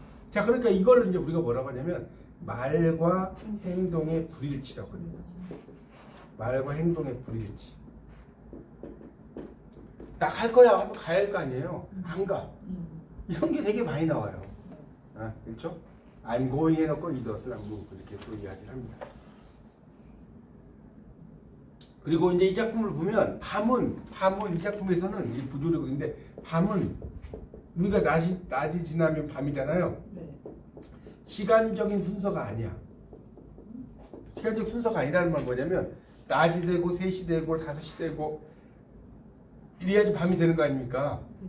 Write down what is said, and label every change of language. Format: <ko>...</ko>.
<ko>자 그러니까 이걸 이제 우리가 뭐라고 하냐면 말과 행동의 불일치라고 합니다. 말과 행동의 불일치. 나 갈 거야 하면 가야 할 거 아니에요. 안 가. 이런 게 되게 많이 나와요. 아, 그렇죠?</ko> <en>I'm going</en> <ko>해놓고</ko> <en>he does not move</en> <ko>이렇게 또 이야기를 합니다. 그리고 이제 이 작품을 보면 밤은 이 작품에서는 이 부조리곡인데 밤은 우리가 낮이 지나면 밤이잖아요. 네. 시간적인 순서가 아니야. 시간적 순서가 아니라는 말 뭐냐면 낮이 되고 3시 되고 5시 되고 이래야지 밤이 되는 거 아닙니까?</ko>